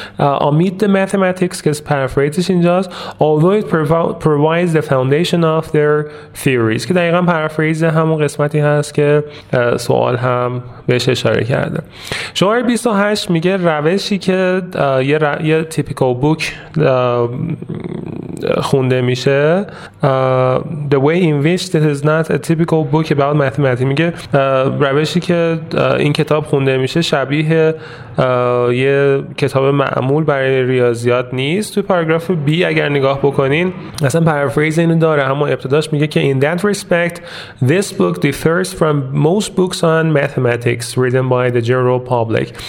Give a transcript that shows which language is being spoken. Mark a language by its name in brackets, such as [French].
[Persian] امید [English] the mathematics [Persian] که پرافریزش اینجاست [English] although it provides the foundation of their theories، [Persian] که دقیقا پرافریز همون قسمتی هست که سوال هم بهش اشاره کرده. شماره 28 میگه روشی که یه تیپیکال بوک خونده میشه. [English] The way in which this is not a typical book about mathematics. [Persian] میگه روشی که این کتاب خونده میشه شبیه یه کتاب معمول برای ریاضیات نیست. توی پاراگراف B اگر نگاه بکنین اصلا پارافریز اینو داره، اما ابتداش میگه که [English] in that respect this book differs from most books on mathematics written by the general public.